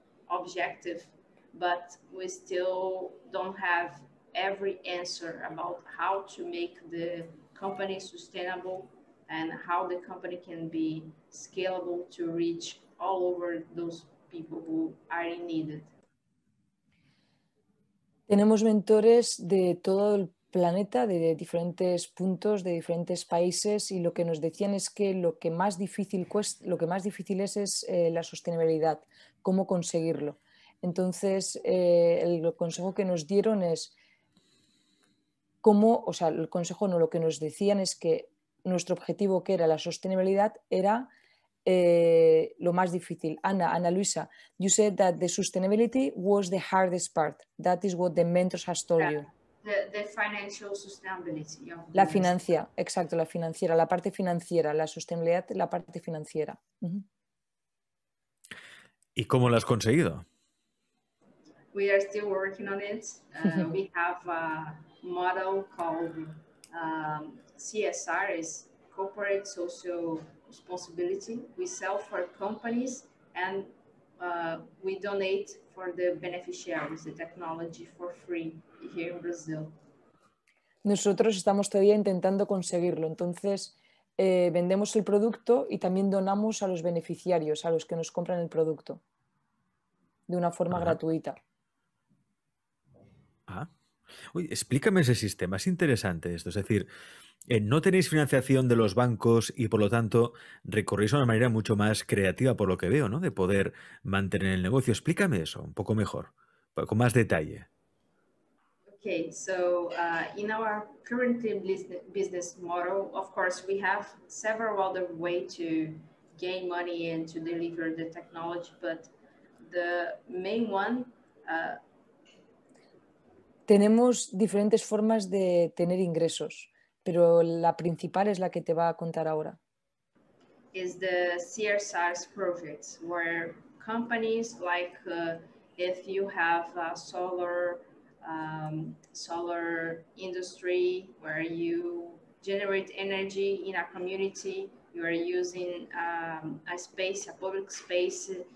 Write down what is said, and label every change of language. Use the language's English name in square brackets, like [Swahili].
[English] objective, but we still don't have every answer about how to make the company sustainable and how the company can be scalable to reach all over those people who are needed. [Spanish] Tenemos mentores de todo el planeta, de diferentes puntos, de diferentes países, y lo que nos decían es que lo que más difícil es la sostenibilidad, cómo conseguirlo. Entonces, el consejo que nos dieron es cómo, o sea, el consejo no, lo que nos decían es que nuestro objetivo, que era la sostenibilidad, era lo más difícil. [English] Ana Luisa, you said that the sustainability was the hardest part. That is what the mentors has told you. The financial sustainability. [Spanish] La financia, exacto, la financiera, la parte financiera, la sostenibilidad, la parte financiera. ¿Y cómo lo has conseguido? [English] We are still working on it. We have a model called CSR, is Corporate Social Responsibility. We sell for companies and we donate for the beneficiaries the technology for free here in Brazil. [Spanish] Nosotros estamos todavía intentando conseguirlo. Entonces, vendemos el producto y también donamos a los beneficiarios, a los que nos compran el producto, de una forma gratuita. Uy, explícame ese sistema, es interesante esto. Es decir, no tenéis financiación de los bancos y por lo tanto recorréis a una manera mucho más creativa, por lo que veo, ¿no? De poder mantener el negocio. Explícame eso un poco mejor, con más detalle. [English] Okay, so in our current business model, of course, we have several other ways to gain money and to deliver the technology, but the main one. [Spanish] Tenemos diferentes formas de tener ingresos, pero la principal es la que te va a contar ahora. [English] Is the CSR projects where companies like if you have a solar industry where you generate energy in a community, you are using a space, a public space